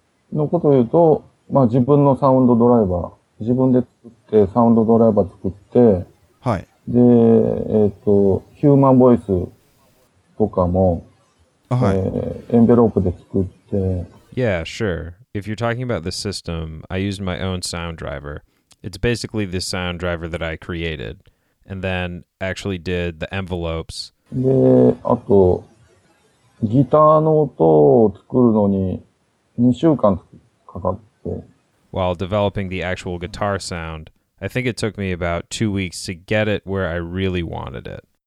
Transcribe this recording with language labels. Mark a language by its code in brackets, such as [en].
[ja] まあ自分のサウンドドライバー、自分で作ってサウンドドライバー作って、はい。で、ヒューマンボイスとかも、はい。エンベロープで作って。 [en] Yeah, sure. If you're talking about the system, I used my own sound driver. It's basically the sound driver that I created. And then actually did the envelopes. [ja] で、あと、ギターの音を作るのに2週間かかって、 [en] While developing the actual guitar sound, I think it took me about 2 weeks to get it where I really wanted it.